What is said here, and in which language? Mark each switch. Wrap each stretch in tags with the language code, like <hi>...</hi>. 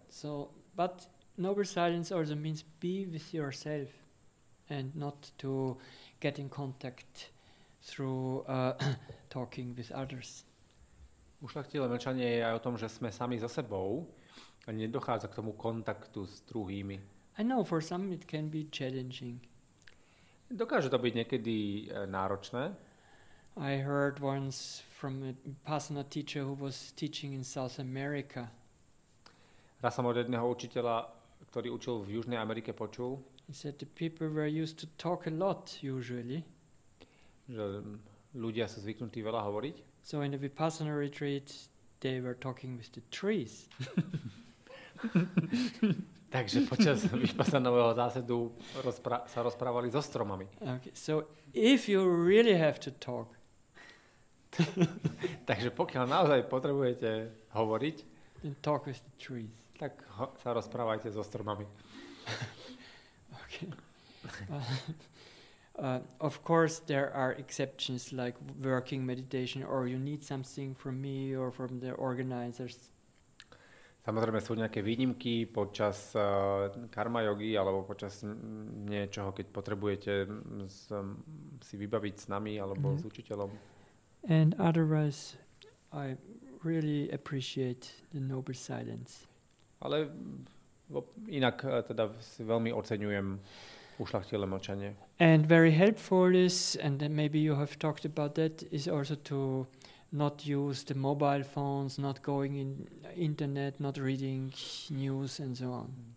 <en>So, but noble silence also means be with yourself and not to get in contact through talking with others.</en> <sk>Ušlachtilé mlčanie je aj o tom, že sme sami so sebou. A nedochádza k tomu kontaktu s druhými.</sk> <en>I know, for some it can be challenging.</en> <sk>Dokáže to byť niekedy náročné.</sk> <en>I heard once from a Vipassana teacher who was teaching in South America.</en> <sk>Raz som od jedného učiteľa, ktorý učil v Južnej Amerike, počul.</sk> <en>He said the people were used to talk a lot usually.</en> <sk>Že ľudia sú zvyknutí veľa hovoriť.</sk> <en>So in the Vipassana retreat they were talking with the trees.</en> <sk>Takže počas vypasanového zásadu sa rozprávali so stromami.</sk> <en>Okay, so if you really have to talk.</en> <sk>Takže pokiaľ naozaj potrebujete hovoriť,</sk> <en>then talk with the trees.</en> <sk>Tak sa rozprávajte so stromami.</sk> <en>Okay. Of course there are exceptions like working meditation or you need something from me or from the organizers.</en> <sk>Samozrejme sú nejaké výnimky počas karma jogy alebo počas niečoho, keď potrebujete si vybaviť s nami alebo s učiteľom.</sk> <en>And otherwise I really appreciate the noble silence.</en> <sk>Ale inak teda veľmi oceňujem ušlachtilé mlčanie.</sk> <en>And very helpful is, and maybe you have talked about that, is also to not use the mobile phones, not going in internet, not reading news and so on.</en>